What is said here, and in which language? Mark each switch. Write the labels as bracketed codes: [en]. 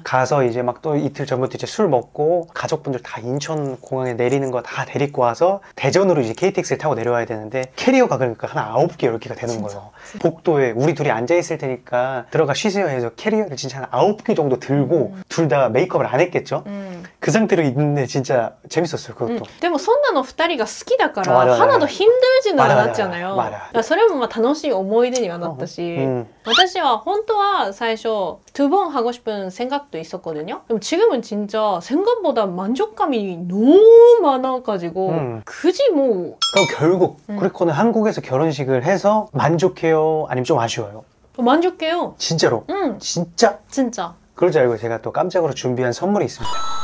[ko] 가서 이제 막 또 이틀 전부터 이제 술 먹고 가족분들 다 인천 공항에 내리는 거 다 데리고 와서 대전으로 이제 KTX를 타고 내려와야 되는데 캐리어가 그러니까 한 9개, 10개가 되는 진짜? 거예요. 진짜? 복도에 우리 둘이 앉아있을 테니까 들어가 쉬세요 해서 캐리어를 진짜 한 9개 정도 들고 둘 다 메이크업을 안 했겠죠? 그 상태로 있는데 진짜 재밌었어요, 그것도. 근데 [ja] そんなの 2人が 好きだから [ko] 하나도 힘들진 않았잖아요. [ja] それもまあ楽しい思い出にはなったし 私は本当は 最初 [ko] 두번 하고 싶은 생각도 있었거든요. 지금은 진짜 생각보다 만족감이 너무 많아가지고 굳이 뭐 그럼 결국 크리코는 한국에서 결혼식을 해서 만족해요? 아니면 좀 아쉬워요? 만족해요. 진짜로? 진짜? 진짜. 그럴 줄 알고 제가 또 깜짝으로 준비한 선물이 있습니다.